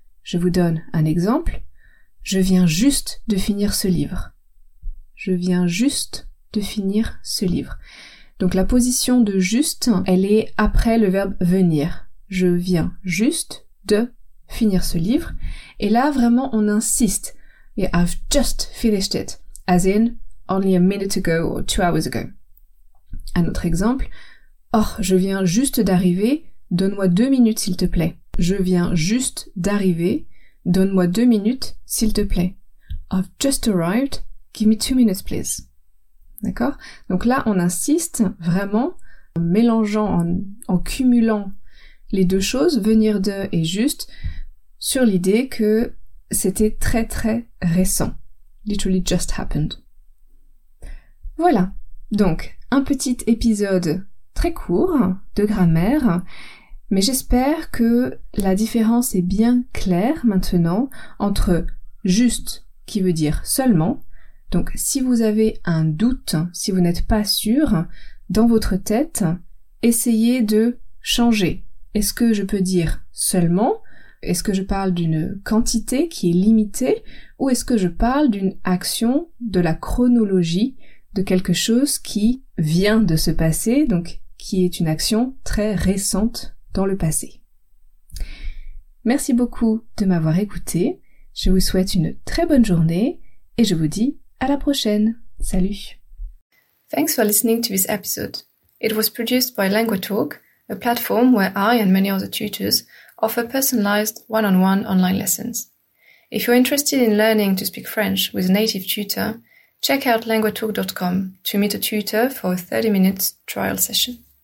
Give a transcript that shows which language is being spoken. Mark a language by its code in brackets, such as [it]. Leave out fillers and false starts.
[fr] Je vous donne un exemple. Je viens juste de finir ce livre. Je viens juste de finir ce livre. Donc la position de juste, elle est après le verbe venir. Je viens juste de finir ce livre. Et là, vraiment, on insiste. [en] I've just finished it. As in, only a minute ago or 2 hours ago. [fr] Un autre exemple. Oh, je viens juste d'arriver, donne-moi 2 minutes s'il te plaît. Je viens juste d'arriver, donne-moi 2 minutes s'il te plaît. [en] I've just arrived, give me 2 minutes please. [fr] D'accord? Donc là, on insiste vraiment en mélangeant, en cumulant les deux choses, venir de et juste, sur l'idée que c'était très très récent. [en] Literally just happened. [fr] Voilà. Donc, un petit épisode très court de grammaire, mais j'espère que la différence est bien claire maintenant entre juste, qui veut dire seulement. Donc, si vous avez un doute, si vous n'êtes pas sûr, dans votre tête, essayez de changer. Est-ce que je peux dire seulement? Est-ce que je parle d'une quantité qui est limitée? Ou est-ce que je parle d'une action, de la chronologie, de quelque chose qui vient de se passer, donc qui est une action très récente dans le passé? Merci beaucoup de m'avoir écouté. Je vous souhaite une très bonne journée et je vous dis à la prochaine. Salut! [en] Thanks for listening to this episode. It was produced by LanguageTalk, a platform where I and many other tutors offer personalized one-on-one online lessons. If you're interested in learning to speak French with a native tutor, check out LanguageTalk.com to meet a tutor for a 30-minute trial session.